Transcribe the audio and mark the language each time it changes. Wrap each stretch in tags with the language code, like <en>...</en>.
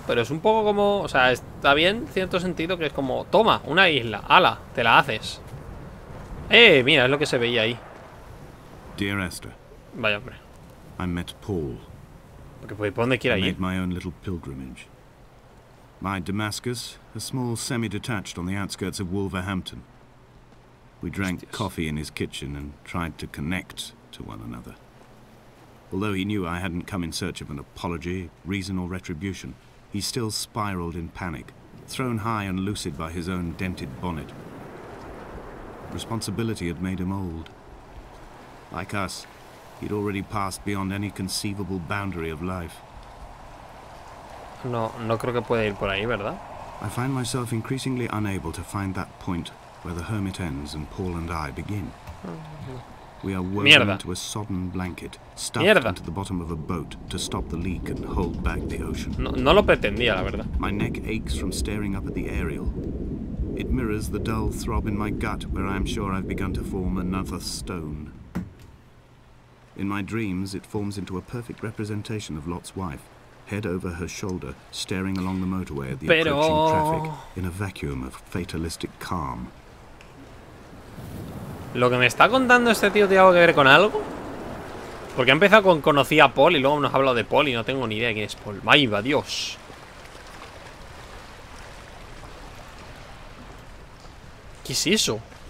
<es>Pero es un poco como, o sea, está bien en cierto sentido que es como, toma, una isla, ala, te la haces. Mira, es lo que se veía ahí.</es> <en>Dear Esther,</en> <es>vaya hombre.</es> <en>I met Paul.</en> <es>Porque pues, ¿por dónde quiera ir?</es> <en>I made my own little pilgrimage. My Damascus, a small semi-detached on the outskirts of Wolverhampton. We drank coffee in his kitchen and tried to connect to one another. Although he knew I hadn't come in search of an apology, reason or retribution, he still spiraled in panic, thrown high and lucid by his own dented bonnet. Responsibility had made him old. Like us, he'd already passed beyond any conceivable boundary of life.</en> <es>No, no creo que pueda ir por ahí, ¿verdad?</es> <en>I find myself increasingly unable to find that point where the hermit ends and Paul and I begin. We are woven into a sodden blanket, stuffed into the bottom of a boat to stop the leak and hold back the ocean.</en> <es>No, no lo pretendía, la verdad.</es> <en>My neck aches from staring up at the aerial. It mirrors the dull throb in my gut where I am sure I've begun to form another stone. In my dreams, it forms into a perfect representation of Lot's wife, head over her shoulder, staring along the motorway at the approaching traffic, in a vacuum of fatalistic calm.</en> <es>Lo que me está contando este tío tiene algo que ver con algo, porque ha empezado con conocí a Paul y luego nos ha hablado de Paul y no tengo ni idea de quién es Paul. ¡Vaya Dios! ¿Qué es eso?</es>